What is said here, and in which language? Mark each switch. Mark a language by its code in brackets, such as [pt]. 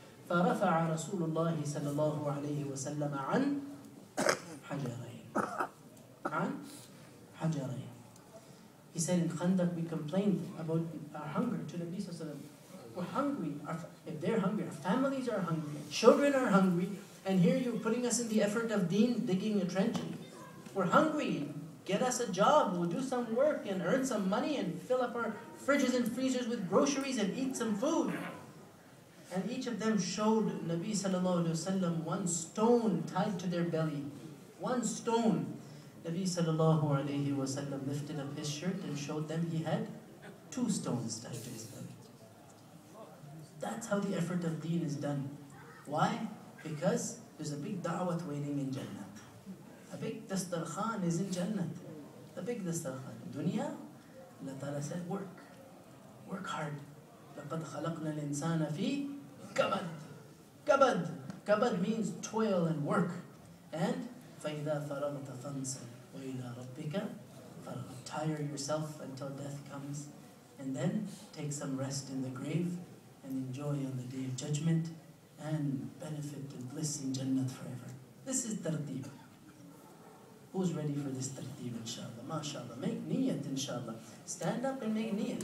[ar] فرفع رسول الله صلى الله عليه وسلم عن حجرين عن حجرين. [en] He said in Khandaq we complained about our hunger to Nabi sallallahu alaihi wasallam. We're hungry. If they're hungry, our families are hungry, children are hungry, and here you're putting us in the effort of deen, digging a trench. We're hungry. Get us a job. We'll do some work and earn some money and fill up our fridges and freezers with groceries and eat some food. And each of them showed Nabi sallallahu alayhi wa sallam one stone tied to their belly. One stone. Nabi sallallahu alayhi wa sallam lifted up his shirt and showed them he had two stones tied to his belly. That's how the effort of deen is done. Why? Because there's a big da'wat waiting in Jannah. A big dastarkhan is in Jannah. A big dastarkhan. Dunya, Allah ta'ala said, work. Work hard. [ar] لَقَدْ خَلَقْنَا الْإِنسَانَ فِي كَبَدْ كَبَدْ كَبَدْ [en] means toil and work. [ar] And فَإِذَا فَرَغْتَ فَانْصَبْ وَإِذَا رَبِّكَ فَرَغْتَ. [en] Tire yourself until death comes, and then take some rest in the grave and enjoy on the Day of Judgment and benefit and bliss in Jannah forever. This is tarteeb. Who's ready for this tarteeb, inshallah? MashaAllah. Make niyat, inshallah. Stand up and make niyat.